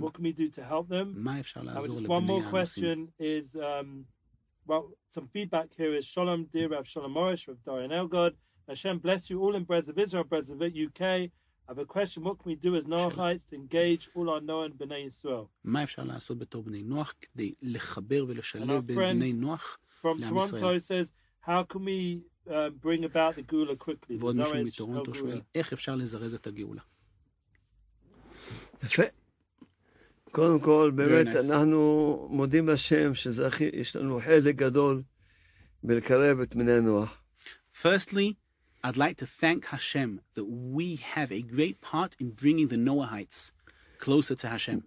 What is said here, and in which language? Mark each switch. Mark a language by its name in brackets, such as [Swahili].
[English] What can we do to help them? One more question is, some feedback here is, Shalom, dear Rav Shalom Morish, Rav Dorian Elgod. Hashem bless you all in Brez of Israel, Brez of UK. I have a question. What can we do as Noachites to engage all our Noah and Bnei Yisrael? [Hebrew] מה אפשר לעשות בתור בני נוח כדי לחבר ולשלב בין בני נוח [English] from Toronto says, how can we bring about the Gula quickly? [Hebrew] ועוד מישהו מטורונטו שואל, איך אפשר לזרז את הגאולה? יפה. קודם כל, באמת, אנחנו מודים לשם שזה הכי, יש לנו חלק גדול בלקרב את בני נוח. [English] Firstly, I'd like to thank Hashem that we have a great part in bringing the Noahites closer to Hashem.